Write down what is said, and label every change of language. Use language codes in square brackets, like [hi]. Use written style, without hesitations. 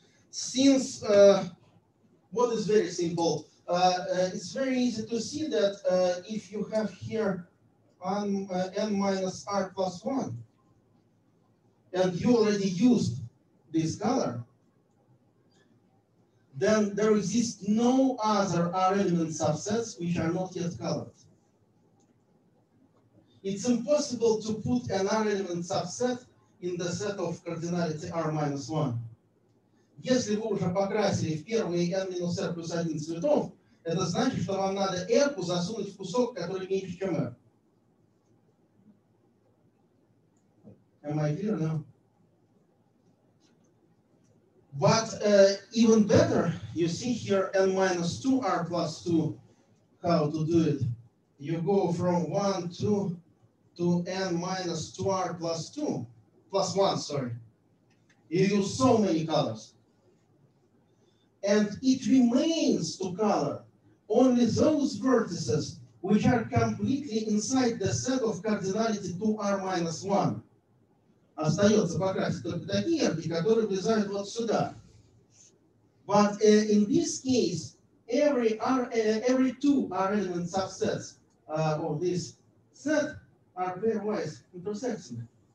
[en] since what is very simple, it's very easy to see that if you have here n minus r plus 1, and you already used this color, then there exists no other R element subsets which are not yet colored. It's impossible to put an R element subset in the set of cardinality R minus 1. [ru] Если вы уже покрасили в первые n минус r плюс 1 цветов, это значит, что вам надо r засунуть в кусок, который меньше, чем r. [en] Am I clear now? But even better, you see here n minus 2 r plus 2, how to do it. You go from 1, 2 to n minus 2 r plus 2, plus 1, sorry. You use so many colors. And it remains to color only those vertices which are completely inside the set of cardinality 2 r minus 1. [ru] Остается покрасить только такие арки, которые влезают вот сюда. [en] But in this case, every two R element subsets of this set are pairwise intersecting.